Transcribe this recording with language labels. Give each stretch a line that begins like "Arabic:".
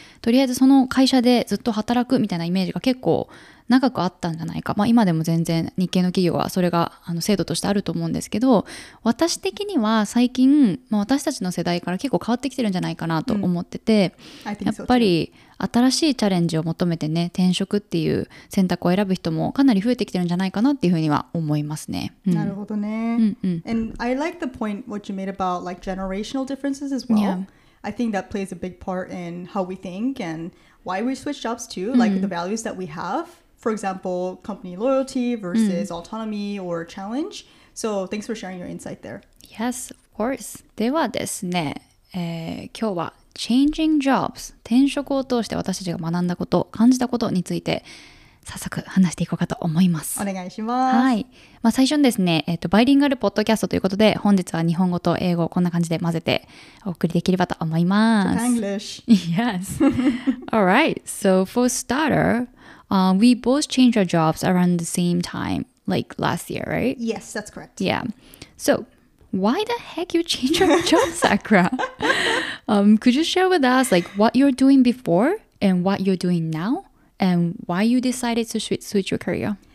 Japanese: とりあえずその会社でずっと働くみたいなイメージが結構長くあったんじゃないか、まあ、今でも全然日系の企業はそれが制度としてあると思うんですけど私的には最近、まあ、私たちの世代から結構変わってきてるんじゃないかなと思ってて、やっぱり新しいチャレンジを求めてね転職っていう選択を選ぶ人もかなり増えてきてるんじゃないかなっていうふうには思いますね、なるほどね、
English: And I like the point what you made about like generational differences as well、I think that plays a big part in how we think and why we switch jobs too、like the values that we haveFor example, company loyalty versus autonomy or challenge. So, thanks for sharing your insight there. Yes, of course.
Japanese: ではですね、今日は
English: changing jobs、
Japanese: 転職を通して私たちが学んだこと、感じたことについて早速話していこうかと思います。お願いします。はい。まあ、最初にですね、バイリンガルポッドキャストということで、本日は日本語と英語をこんな感じで混ぜてお送りできればと思います。
English: Japan English. Yes. All right. So, for starter... we both changed our jobs around the same time, like last year, right? Yes, that's correct. Yeah. So, why the heck you changed your job, Sakura? Could you share with us like what you're doing before and what you're doing now and why you decided to switch your career?